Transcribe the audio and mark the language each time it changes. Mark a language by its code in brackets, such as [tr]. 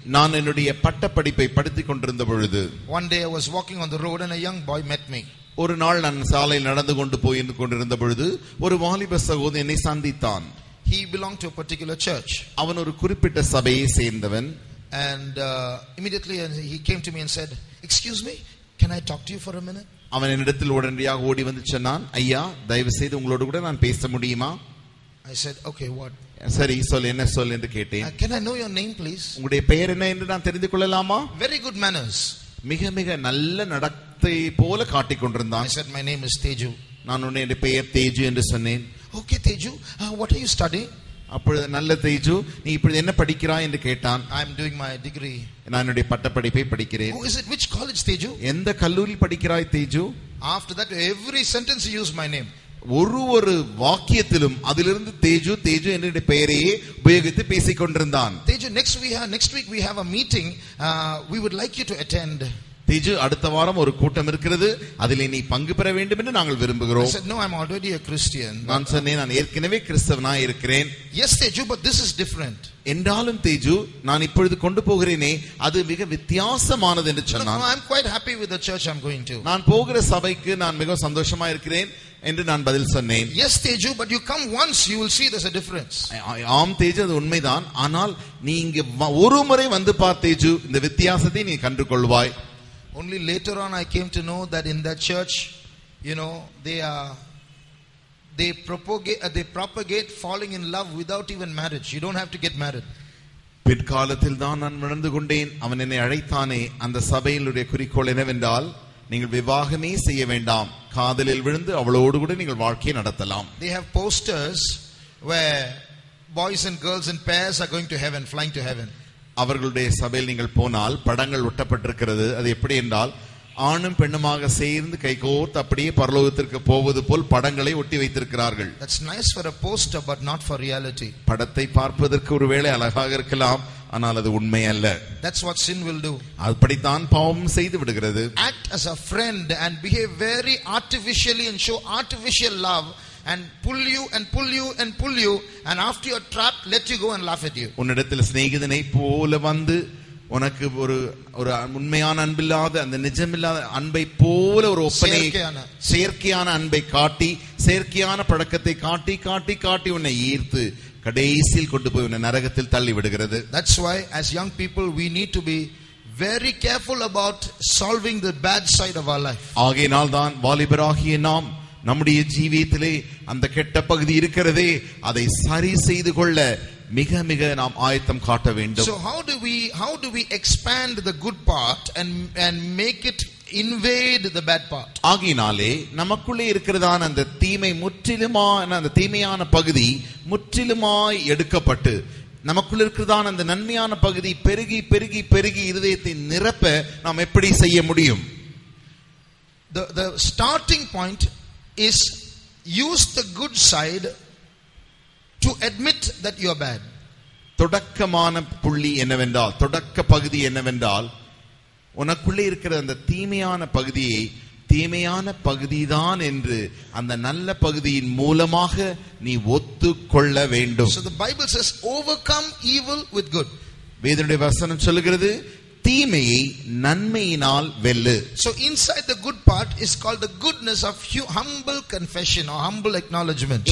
[ta] நான் என்னுடைய பட்டப்படிப்பை படித்துக் கொண்டிருந்த பொழுது, [en] one day I was walking on the road and a young boy met me. [ta] ஒரு நாள் நான் சாலையில் நடந்து கொண்டு போய் கொண்டிருந்த பொழுது ஒரு வாலிப சகோதரன் என்னை சந்தித்தான். [en] He belonged to a particular church. [ta] அவன் ஒரு குறிப்பிட்ட சபையை சேர்ந்தவன். [en] And immediately he came to me and said, "Excuse me, can I talk to you for a minute?" [ta] அவன் என்னிடத்தில் உடனடியாக ஓடி வந்து சொன்னான், "ஐயா, தயவு செய்து உங்களோடு கூட நான் பேச முடியுமா?" [en] I said, "Okay, what?" [ta] சரி சொல், என்ன சொல் என்று கேட்டேன். [en] "Can I know your name, please?" [ta] உங்களுடைய பெயர் என்ன என்று நான் தெரிந்து கொள்ளலாமா? [en] Very good manners. [ta] மிக மிக நல்ல நடத்தை போல காட்டிக்கொண்டிருந்தான். [en] I said, "My name is Teju." [ta] நான் உன்னை பெயர் தேஜு என்று சொன்னேன். [en] "Okay, Teju, what are you studying?" [ta] அப்பொழுது, "நல்ல தேஜு, நீ இப்பொழுது என்ன படிக்கிறாய்?" என்று கேட்டான். [en] "I am doing my degree." [ta] "நான் என்னுடைய பட்டப்படிப்பை படிக்கிறேன்." [en] "Oh, is it which college, Teju?" [ta] "எந்த கல்லூரியில் படிக்கிறாய், Teju?" [en] After that, every sentence you use my name. [ta] ஒரு ஒரு வாக்கியத்திலும் அதிலிருந்து தேஜு தேஜு என்ற பெயரையே உபயோகித்து பேசிக் கொண்டிருந்தான். [en] "Teju, next week we have a meeting. We would like you to attend." [ta] "Teju, அடுத்த வாரம் ஒரு கூட்டம் இருக்கிறது, அதில் நீ பங்கு பெற வேண்டும் என்று நாங்கள் விரும்புகிறோம்." [en] "I said, no, I'm already a Christian." [ta] "நான் சொன்னேன், நான் ஏற்கனவே கிறிஸ்தவனாக இருக்கிறேன்." [en] "Yes, Teju, but this is different." [ta] "என்றாலும் தேஜு, நான் இப்பொழுது கொண்டு போகிறேனே, அது மிக வித்தியாசமானது" என்று சொன்னான். [en] "No, I'm quite happy with the church I'm going to." [ta] "நான் போகிற சபைக்கு நான் மிகவும் சந்தோஷமா இருக்கிறேன்" என்று நான் பதில் சொன்னேன். [en] "Yes, Teju, but you come once, you will see there's a difference." [ta] "ஆம் தேஜு, அது உண்மைதான், ஆனால் நீ இங்கு ஒரு முறை வந்து பார் தேஜு, இந்த வித்தியாசத்தை நீ கண்டு கொள்வாய்." [en] Only later on I came to know that in that church, you know, they propagate falling in love without even marriage. You don't have to get married. [ta] பிற்காலத்தில் தான் நான் உணர்ந்து கொண்டேன், அவன் என்னை அழைத்தானே, அந்த சபையினுடைய குறிக்கோள் என்னவென்றால் நீங்கள் விவாகமே செய்ய வேண்டாம், காதலில் விழுந்து அவளோடு கூட நீங்கள் வாழ்க்கையை நடத்தலாம். [en] They have posters where boys and girls in pairs are going to heaven, flying to heaven. [ta] அவர்களுடைய சபையில் நீங்கள் போனால் படங்கள் ஒட்டப்பட்டிருக்கிறது. அது எப்படி என்றால் ஆணும் பெண்ணுமாக சேர்ந்து கைகோர்த்து அப்படியே பரலோகத்திற்கு போவது போல் படங்களை ஒட்டி வைத்திருக்கிறார்கள். [en] That's nice for a poster but not for reality. [ta] படத்தை பார்ப்பதற்கு ஒருவேளை அழகாக இருக்கலாம், ஆனால் அது உண்மை அல்ல. [en] That's what sin will do. [ta] அப்படித்தான் பாவம் செய்து விடுகிறது. [en] Act as a friend and behave very artificially and show artificial love and pull you and pull you and pull you and after you're trapped let you go and laugh at you. [ta] உன்னிடத்தில் சிநேகிதனை போல வந்து உனக்கு ஒரு ஒரு உண்மையான அன்பில்லாத அந்த நிஜமில்லாத அன்பை போல ஒரு ஒப்பனை செயற்கையான அன்பை காட்டி செயற்கையான பழக்கத்தை காட்டி காட்டி காட்டி உன்னை ஈர்த்து கடைசியில் கொண்டு போய் உன்னை நரகத்தில் தள்ளி விடுகிறது. [en] That's why as young people we need to be very careful about solving the bad side of our life. [ta] ஆகையினால் தான் வாலிபராகிய நாம் நம்முடைய ஜீவியத்திலே அந்த கெட்ட பகுதி இருக்கிறதே, அதை சரி செய்து கொள்ள மிக மிக நாம் ஆயத்தம் காட்ட வேண்டும். [en] So how do we expand the good part and make it invade the bad part? [ta] ஆகினாலே நமக்குள்ளே இருக்கிறதான அந்த தீமை முற்றிலுமான அந்த தீமையான பகுதி முற்றிலுமாய் எடுக்கப்பட்டு நமக்குள்ள இருக்கிறதான அந்த நன்மையான பகுதி பெருகி பெருகி பெருகி இருதயத்தை நிரப்ப நாம் எப்படி செய்ய முடியும்? [en] The starting point is use the good side to admit that you are bad. [ta] தொடக்கமான புள்ளி என்னவென்றால், தொடக்க பகுதி என்னவென்றால், உனக்குள்ளே இருக்கிற அந்த தீமையான பகுதியை தீமையான பகுதிதான் என்று அந்த நல்ல பகுதியின் மூலமாக நீ ஒத்துக்கொள்ள வேண்டும். [en] So the Bible says overcome evil with good. [ta] வேதனுடைய வசனம் சொல்கிறது தீமையை நன்மையினால் வெல்லு. [en] So inside the good part is called the goodness of humble confession or humble acknowledgement.